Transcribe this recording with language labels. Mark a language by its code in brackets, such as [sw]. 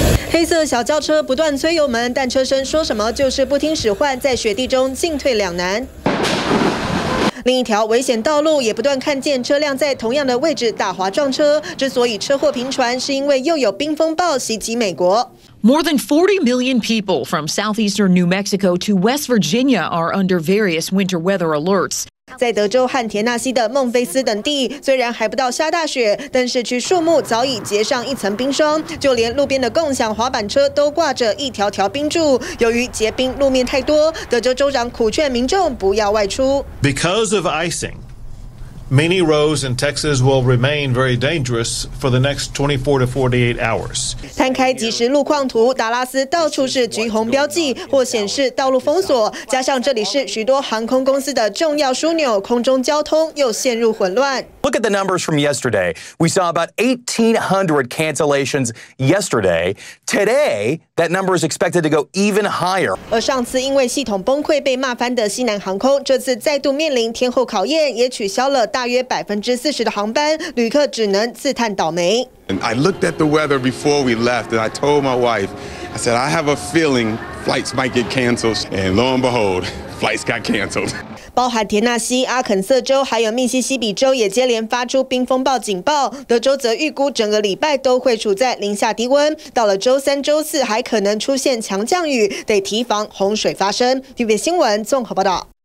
[zh] 黑色小轿车不断催油门，但车身说什么就是不听使唤，在雪地中进退两难。另一条危险道路也不断看见车辆在同样的位置打滑撞车。之所以车祸频传，是因为又有冰风暴袭击美国。 [en] More than 40 million people from southeastern New Mexico to West Virginia are under various winter weather alerts. [zh] 在德州和田纳西的孟菲斯等地，虽然还不到下大雪，但市区树木早已结上一层冰霜，就连路边的共享滑板车都挂着一条条冰柱。由于结冰路面太多，德州州长苦劝民众不要外出。 [en] Because of icing, many roads in Texas will remain very dangerous for the next 24 to 48 hours. [zh] 摊开即时路况图，达拉斯到处是橘红标记或显示道路封锁，加上这里是许多航空公司的重要枢纽，空中交通又陷入混乱。 [en] Look at the numbers from yesterday. We saw about 1,800 cancellations yesterday. Today, that number is expected to go even higher. [zh] 而上次因为系统崩溃被骂翻的西南航空，这次再度面临天后考验，也取消了大约40%的航班，旅客只能自叹倒霉。 [en] And I looked at the weather before we left, and I told my wife, I said, I have a feeling flights might get canceled. And lo and behold, flights got canceled. [zh] 包含田纳西、阿肯色州还有密西西比州也接连发出冰风暴警报，德州则预估整个礼拜都会处在零下低温，到了周三、周四还可能出现强降雨，得提防洪水发生。 TVBS 新闻综合报道。